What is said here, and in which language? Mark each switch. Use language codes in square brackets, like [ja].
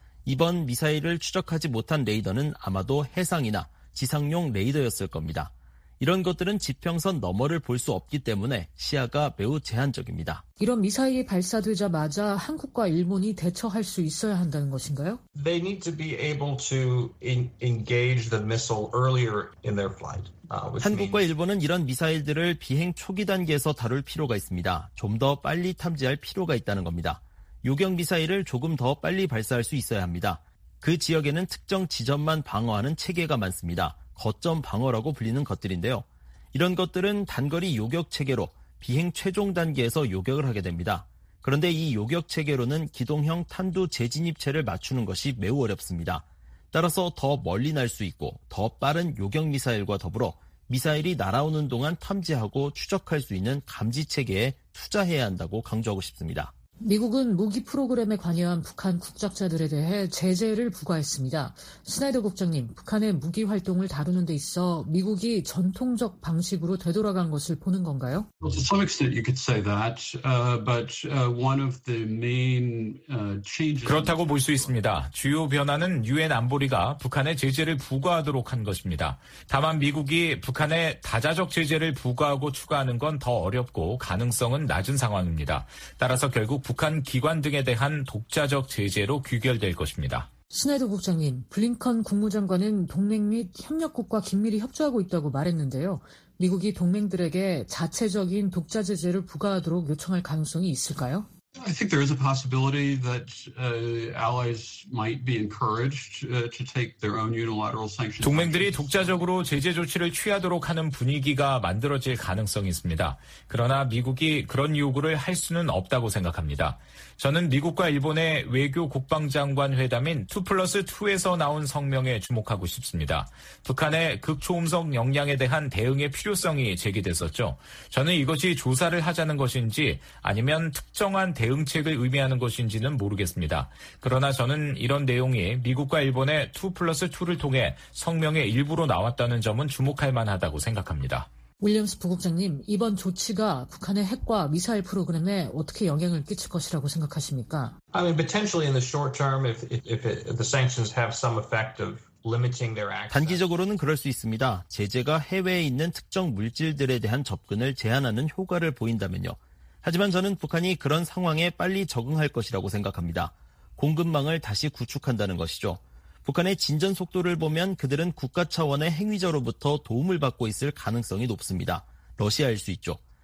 [ko] 이번 미사일을 추적하지 못한 레이더는 아마도 해상이나 지상용 레이더였을 겁니다. 이런 것들은 지평선 너머를 볼 수 없기 때문에 시야가 매우 제한적입니다. 이런 미사일이 발사되자마자 한국과 일본이 대처할 수 있어야 한다는 것인가요? [en] They need to be able to engage the missile earlier in their flight. [ko] 한국과 일본은 이런 미사일들을 비행 초기 단계에서 다룰 필요가 있습니다. 좀 더 빨리 탐지할 필요가 있다는 겁니다. 요격 미사일을 조금 더 빨리 발사할 수 있어야 합니다. 그 지역에는 특정 지점만 방어하는 체계가 많습니다. 거점 방어라고 불리는 것들인데요. 이런 것들은 단거리 요격 체계로 비행 최종 단계에서 요격을 하게 됩니다. 그런데 이 요격 체계로는 기동형 탄두 재진입체를 맞추는 것이 매우 어렵습니다. 따라서 더 멀리 날 수 있고 더 빠른 요격 미사일과 더불어 미사일이 날아오는 동안 탐지하고 추적할 수 있는 감지 체계에 투자해야 한다고 강조하고 싶습니다. 미국은 무기 프로그램에 관여한 북한 국적자들에 대해 제재를 부과했습니다. 스나이더 국장님, 북한의 무기 활동을 다루는 데 있어 미국이 전통적 방식으로 되돌아간 것을 보는 건가요? [en] Well, to some extent you could say that, but one of the main changes [ko] 그렇다고 볼 수 있습니다. 주요 변화는 유엔 안보리가 북한에 제재를 부과하도록 한 것입니다. 다만 미국이 북한에 다자적 제재를 부과하고 추가하는 건 더 어렵고 가능성은 낮은 상황입니다. 따라서 결국 북한 기관 등에 대한 독자적 제재로 귀결될 것입니다. 스나이더 국장님, 블링컨 국무장관은 동맹 및 협력국과 긴밀히 협조하고 있다고 말했는데요. 미국이 동맹들에게 자체적인 독자 제재를 부과하도록 요청할 가능성이 있을까요? [en] I think there is a possibility that allies might be encouraged to take their own unilateral sanctions. [ko] 동맹들이 독자적으로 제재 조치를 취하도록 하는 분위기가 만들어질 가능성이 있습니다. 그러나 미국이 그런 요구를 할 수는 없다고 생각합니다. 저는 미국과 일본의 외교 국방장관 회담인 2+2에서 나온 성명에 주목하고 싶습니다. 북한의 극초음속 역량에 대한 대응의 필요성이 제기됐었죠. 저는 이것이 조사를 하자는 것인지 아니면 특정한 대응책을 의미하는 것인지는 모르겠습니다. 그러나 저는 이런 내용이 미국과 일본의 2+2를 통해 성명의 일부로 나왔다는 점은 주목할 만하다고 생각합니다. 윌리엄스 부국장님, 이번 조치가 북한의 핵과 미사일 프로그램에 어떻게 영향을 끼칠 것이라고 생각하십니까? [en] I mean, potentially in the short term, if the sanctions have some effect of [ko] 단기적으로는 그럴 수 있습니다. 제재가 해외에 있는 특정 물질들에 대한 접근을 제한하는 효과를 보인다면요. 하지만 저는 북한이 그런 상황에 빨리 적응할 것이라고 생각합니다. 공급망을 다시 구축한다는 것이죠. 북한의 진전 속도를 보면 그들은 국가 차원의 행위자로부터 도움을 받고 있을 가능성이 높습니다. 러시아일 수 있죠.